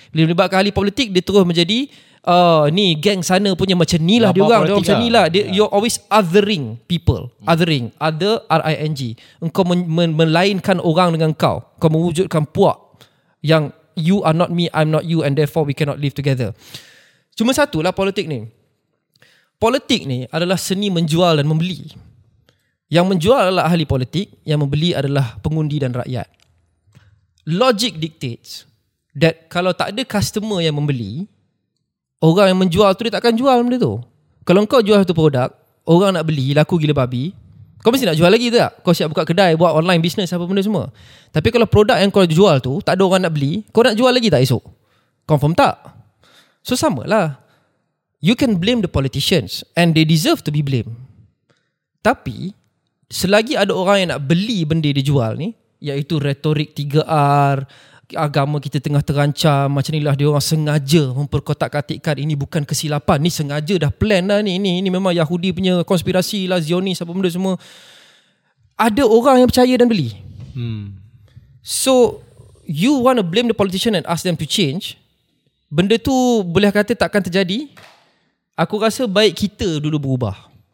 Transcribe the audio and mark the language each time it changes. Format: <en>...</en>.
<ms>Bila melibatkan ahli politik, dia terus menjadi, ni geng sana punya macam ni lah diorang. Diorang macam ni lah. Yeah.</ms> <en>You're always othering people. Othering. Other, R-I-N-G.</en> <ms>Engkau melainkan orang dengan kau. Kau mewujudkan puak yang,</ms> <en>you are not me, I'm not you, and therefore we cannot live together.</en> <ms>Cuma satu lah politik ni. Politik ni adalah seni menjual dan membeli. Yang menjual adalah ahli politik, yang membeli adalah pengundi dan rakyat.</ms> <en>Logic dictates that</en> <ms>kalau tak ada customer yang membeli, orang yang menjual tu dia takkan jual benda tu. Kalau kau jual satu produk, orang nak beli, laku gila babi, kau mesti nak jual lagi tak? Kau siap buka kedai, buat online business, apa benda semua. Tapi kalau produk yang kau jual tu, tak ada orang nak beli, kau nak jual lagi tak esok? Confirm tak? So, samalah.</ms> <en>You can blame the politicians and they deserve to be blamed.</en> <ms>Tapi, selagi ada orang yang nak beli benda dia jual ni, iaitu retorik 3R, agama kita tengah terancam, macam inilah dia orang sengaja memperkotak-katikkan, ini bukan kesilapan, ni sengaja dah plan dah ni, ini memang Yahudi punya konspirasi lah, Zionis apa benda semua. Ada orang yang percaya dan beli.</ms> <en>So you want to blame the politician and ask them to change?</en> <ms>Benda tu boleh kata takkan terjadi. Aku rasa baik kita dulu berubah.</ms>